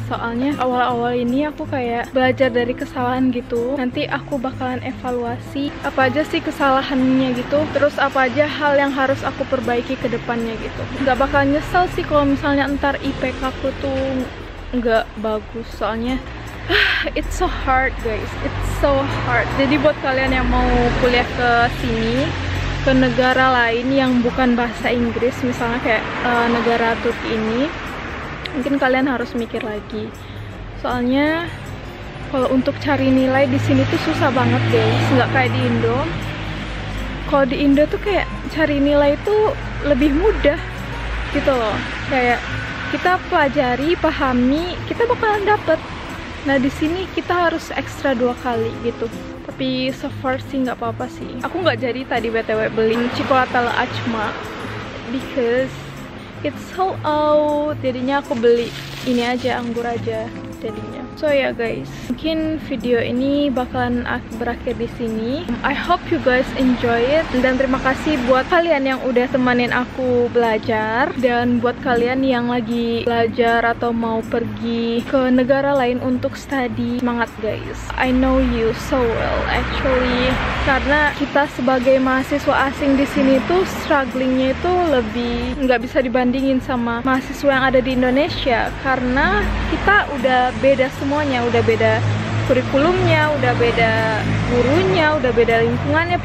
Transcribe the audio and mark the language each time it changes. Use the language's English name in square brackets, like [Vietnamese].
[Indonesian] Soalnya awal-awal ini aku kayak belajar dari kesalahan gitu. Nanti aku bakalan evaluasi apa aja sih kesalahannya gitu, terus apa aja hal yang harus aku perbaiki ke depannya gitu. Nggak bakal nyesel sih kalau misalnya ntar IPK aku tuh nggak bagus. Soalnya [English] it's so hard guys, it's so hard. [Indonesian] Jadi buat kalian yang mau kuliah ke sini, ke negara lain yang bukan bahasa Inggris, misalnya kayak negara Turki ini, mungkin kalian harus mikir lagi. Soalnya kalau untuk cari nilai di sini tuh susah banget guys, nggak kayak di Indo. Kalau di Indo tuh kayak cari nilai tuh lebih mudah gitu loh. Kayak kita pelajari, pahami, kita bakalan dapet. Nah di sini kita harus ekstra dua kali gitu. Tapi [English] so far [Indonesian] sih nggak apa-apa sih. Aku nggak jadi tadi BTW beli cikolata le acma [English] because it's sold out. [Indonesian] Jadinya aku beli ini aja, anggur aja jadinya. So ya yeah, guys, mungkin video ini bakalan berakhir di sini. [English] I hope you guys enjoy it. [Indonesian] Dan terima kasih buat kalian yang udah temanin aku belajar. Dan buat kalian yang lagi belajar atau mau pergi ke negara lain untuk study, semangat guys. [English] I know you so well actually. [Indonesian] Karena kita sebagai mahasiswa asing di sini tuh strugglingnya itu lebih nggak bisa dibandingin sama mahasiswa yang ada di Indonesia. Karena kita udah beda semuanya, udah beda kurikulumnya, udah beda gurunya, udah beda lingkungannya.